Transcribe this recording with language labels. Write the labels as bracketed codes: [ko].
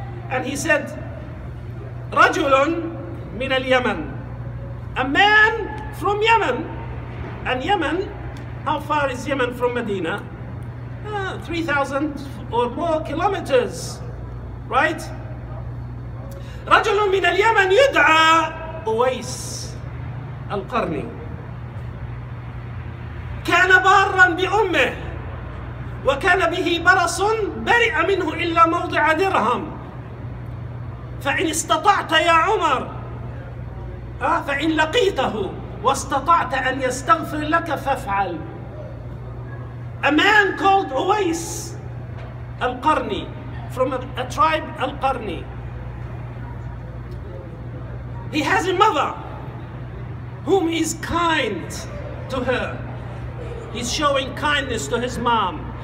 [en] And he said, [ar] رَجُلٌ مِنَ الْيَمَنِ, [en] a man from Yemen. And Yemen, how far is Yemen from Medina? 3,000 or more kilometers, right? [ar] رَجُلٌ مِنَ الْيَمَنِ يُدْعَى أويس القرني. كان بارا بأمه وكان به برص برئ منه إلا موضع درهم فإن استطعت يا عمر فإن لقيته واستطعت أن يستغفر لك فافعل. [en] A man called Owais Al-Garni, from a tribe Al-Garni. He has a mother whom he's kind to her. He's showing kindness to his mom.